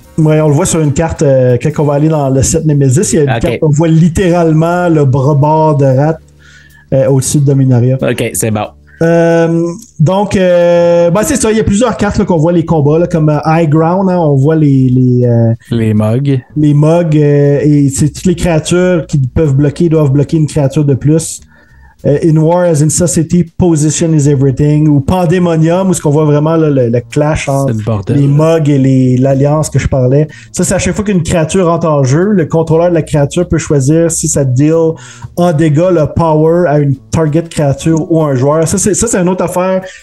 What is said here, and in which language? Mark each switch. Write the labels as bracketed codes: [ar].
[fr] Ouais, on le voit sur une carte. Quand on va aller dans le set Nemesis, il y a une carte on voit littéralement le bras-bord de Rat au-dessus de Dominaria. OK, c'est bon. Donc, c'est ça. Il y a plusieurs cartes là, qu'on voit les combats, là, comme High Ground. Hein, on voit les mugs. Les mugs. Et c'est toutes les créatures qui peuvent bloquer, doivent bloquer une créature de plus. [en] In War as in Society, Position is Everything. [fr] Ou Pandemonium, où ce qu'on voit vraiment là, le clash entre les mugs et l'alliance que je parlais. Ça, c'est à chaque fois qu'une créature entre en jeu, le contrôleur de la créature peut choisir si ça deal en dégâts le power à une target créature ou un joueur. Ça, c'est une autre affaire.